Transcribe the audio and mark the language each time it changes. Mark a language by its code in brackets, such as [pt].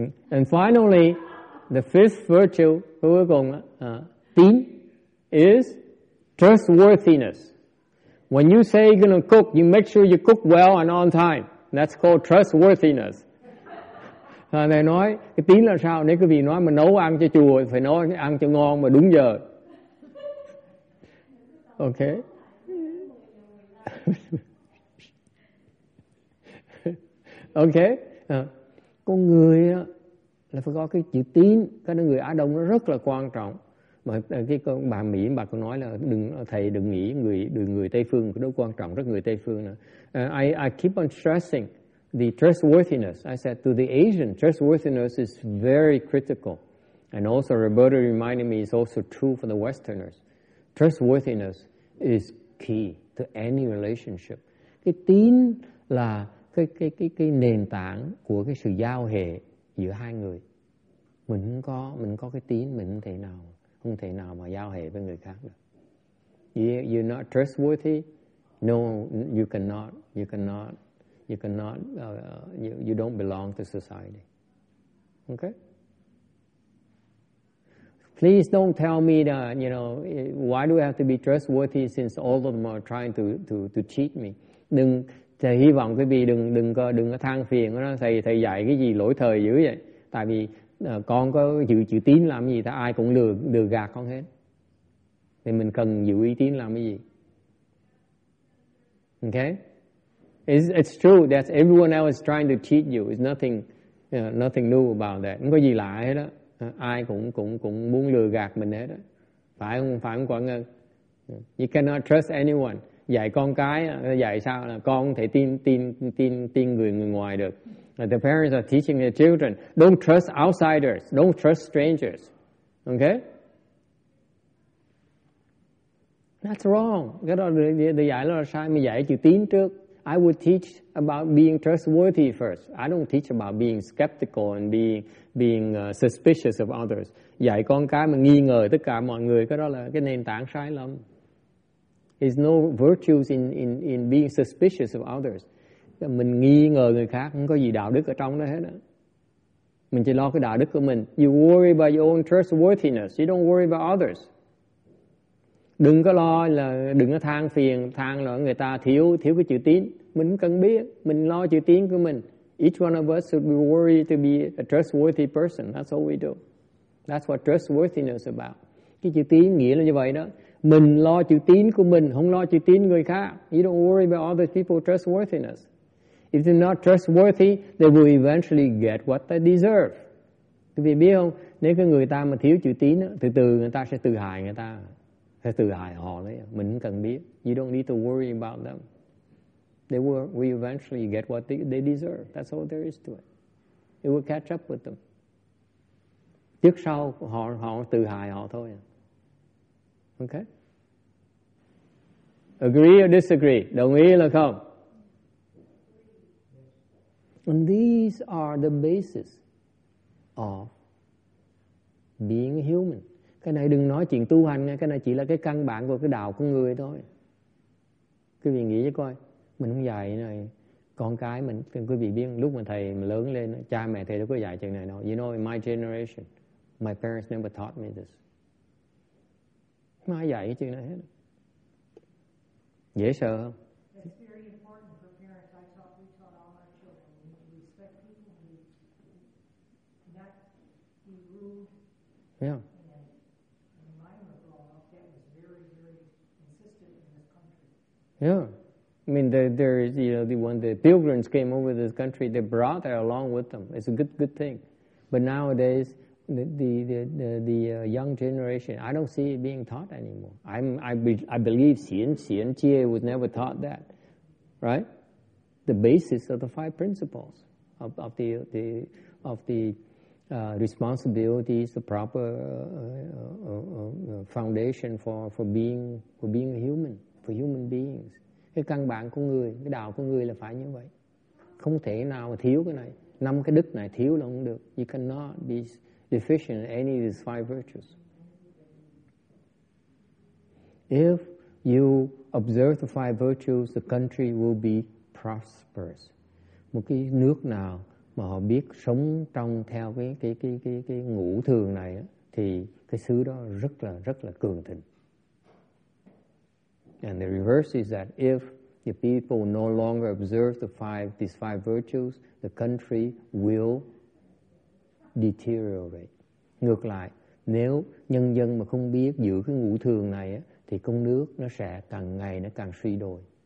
[en] And finally, the fifth virtue, [vi] cuối cùng, [en] tín, is trustworthiness. When you say you're going to cook, you make sure you cook well and on time. That's called trustworthiness. [vi] À, này nói cái tín là sao? Nếu quý vị nói mà nấu ăn cho chùa thì phải nói ăn cho ngon mà đúng giờ. [en] Ok. [vi] Ok. Con người đó, là phải có cái chữ tín. Cái người Á Đông nó rất là quan trọng. Mà cái con bà Mỹ bà cũng nói là đừng, thầy đừng nghĩ người Tây Phương nó quan trọng rất người Tây Phương nữa. [en] I keep on stressing the trustworthiness. I said to the Asian, trustworthiness is very critical. And also Roberta reminded me it's also true for the Westerners. Trustworthiness is key to any relationship. [vi] Cái tín là cái nền tảng của cái sự giao hệ giữa hai người. Mình có cái tín, mình không thể nào mà giao hệ với người khác được. [en] You're not trustworthy? No, you cannot, you don't belong to society. Okay? Please don't tell me that, you know, why do I have to be trustworthy since all of them are trying to cheat me? [vi] Đừng, thầy hy vọng quý vị đừng có than phiền, nó nói thầy dạy cái gì lỗi thời dữ vậy. Tại vì con có chữ tín làm gì, ta ai cũng lừa gạt con hết. Thì mình cần giữ uy tín làm cái gì? [en] Okay? It's true that everyone else is trying to cheat you. It's nothing, you know, nothing new about that. [vi] Không có gì lạ hết đó. Ai cũng muốn lừa gạt mình hết đó. Phải không Quảng Ngân? [en] You cannot trust anyone. [vi] Dạy con cái, dạy sao là con không thể tin người ngoài được. [en] The parents are teaching their children, don't trust outsiders, don't trust strangers. Okay? That's wrong. [vi] Cái đó để dạy là sai. Mình dạy chữ tín trước. [en] I would teach about being trustworthy first. I don't teach about being skeptical and being suspicious of others. [vi] Dạy con cái mà nghi ngờ tất cả mọi người, cái đó là cái nền tảng sai lầm. [en] There's no virtues in being suspicious of others. [vi] Mình nghi ngờ người khác không có gì đạo đức ở trong đó hết á. Mình chỉ lo cái đạo đức của mình. [en] You worry about your own trustworthiness. You don't worry about others. [vi] Đừng có lo là đừng có than phiền, than là người ta thiếu cái chữ tín. Mình cần biết, mình lo chữ tín của mình. [en] Each one of us should be worried to be a trustworthy person. That's all we do. That's what trustworthiness is about. [vi] Cái chữ tín nghĩa là như vậy đó. Mình lo chữ tín của mình, không lo chữ tín người khác. [en] You don't worry about other people's trustworthiness. If they're not trustworthy, they will eventually get what they deserve. [vi] Quý vị biết không? Nếu cái người ta mà thiếu chữ tín, từ từ người ta sẽ tự hại người ta. Thế tự hại họ đấy, mình cần biết. [en] You don't need to worry about them. They will eventually get what they deserve. That's all there is to it. It will catch up with them. [vi] Trước sau họ tự hại họ thôi. [en] Okay? Agree or disagree? [vi] Đồng ý là không? [en] And these are the basis of being human. [vi] Cái này đừng nói chuyện tu hành nha, cái này chỉ là cái căn bản của cái đạo của người thôi. Quý vị nghĩ chứ coi, mình không dạy này, con cái mình, quý vị biết lúc mà thầy lớn lên, cha mẹ thầy đâu có dạy chuyện này đâu. [en] You know, in my generation, my parents never taught me this. [vi] Không ai dạy cái chuyện này hết. Dễ sợ không? [en] Yeah. Yeah. I mean, there is, you know, the when the pilgrims came over this country, they brought that along with them. It's a good thing. But nowadays, the young generation, I don't see it being taught anymore. I believe Xian Jie was never taught that, right? The basis of the five principles of the responsibilities, the proper foundation for being human, for human beings. [vi] Cái căn bản của người, cái đạo của người là phải như vậy. Không thể nào mà thiếu cái này. Năm cái đức này thiếu là không được. [en] You cannot be deficient in any of these five virtues. If you observe the five virtues, the country will be prosperous. [vi] Một cái nước nào mà họ biết sống trong theo cái ngũ thường này thì cái xứ đó rất là cường thịnh. [en] And the reverse is that if the people no longer observe these five virtues, the country will deteriorate. [vi] Ngược lại, nếu nhân dân mà không biết giữ cái ngũ thường này á, thì công nước nó sẽ càng ngày nó càng suy đồi.